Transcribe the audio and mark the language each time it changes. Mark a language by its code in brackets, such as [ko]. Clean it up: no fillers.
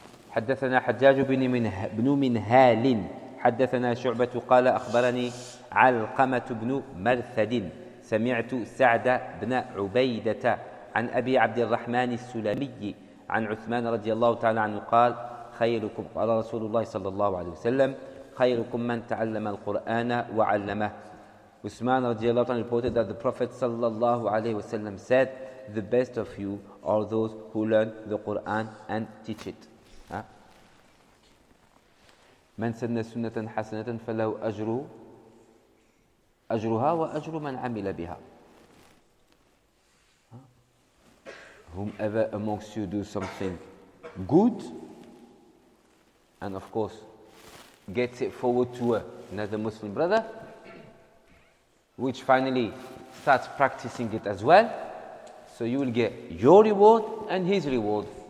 [ar] حدثنا حجاج بن منهال حدثنا شعبة قال أخبرني علقمة بن مرثد سمعت سعد بن عبيدة عن أبي عبد الرحمن السلمي عن عثمان رضي الله تعالى عنه قال خيركم قال رسول الله صلى الله عليه وسلم خيركم من تعلم القرآن وعلمه. [en] Usman radiallahu anhu reported that the Prophet sallallahu alayhi wasallam said, the best of you are those who learn the Quran and teach it. [ar] من سن سنة حسنة فله أجر أجرها وأجر من عمل بها. [en] Whomever amongst you do something good, and of course, gets it forward to another Muslim brother, which finally starts practicing it as well, so you will get your reward and his reward.